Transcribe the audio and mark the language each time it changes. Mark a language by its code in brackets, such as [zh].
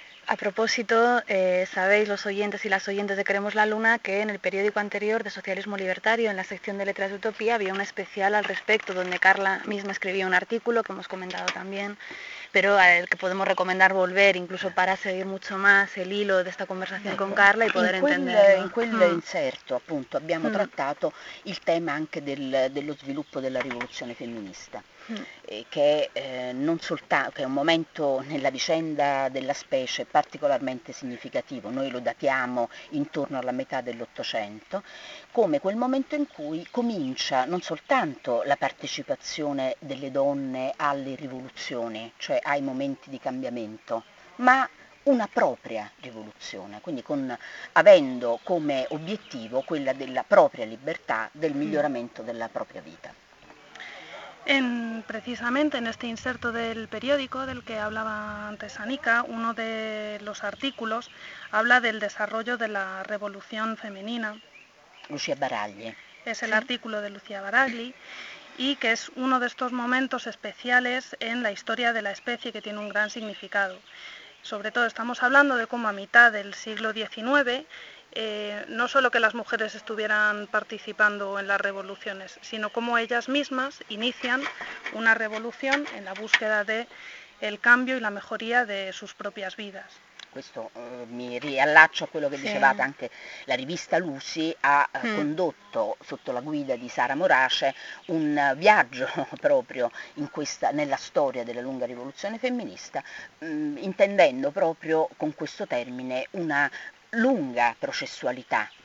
[es] A propósito, sabéis los oyentes y las oyentes de Queremos la Luna que en el periódico anterior de Socialismo Libertario, en la sección de Letras de Utopía, había un especial al respecto donde Carla misma escribía un artículo que hemos comentado también, pero al que podemos recomendar volver incluso para seguir mucho más el hilo de esta conversación con Carla y poder entenderlo. [it] En quel inserto, appunto, abbiamo trattato il tema anche dello sviluppo della rivoluzione femminista. Che è un momento nella vicenda della specie particolarmente significativo, noi lo datiamo intorno alla metà dell'Ottocento, come quel momento in cui comincia non soltanto la partecipazione delle donne alle rivoluzioni, cioè ai momenti di cambiamento, ma una propria rivoluzione, quindi avendo come obiettivo quella della propria libertà, del miglioramento della propria vita. [es] Precisamente en este inserto del periódico del que hablaba antes Anika, uno de los artículos habla del desarrollo de la revolución femenina. Lucia Baragli. Es el artículo de Lucia Baragli y que es uno de estos momentos especiales en la historia de la especie que tiene un gran significado. Sobre todo estamos hablando de cómo a mitad del siglo XIX... no solo que las mujeres estuvieran participando en las revoluciones, sino cómo ellas mismas inician una revolución en la búsqueda del cambio y la mejoría de sus propias vidas. [it] Questo mi riallaccio a quello che Sì. dicevate, anche la rivista Lucy ha condotto sotto la guida di Sara Morace un viaggio proprio nella storia della lunga rivoluzione femminista, intendendo proprio con questo termine una lunga processualità.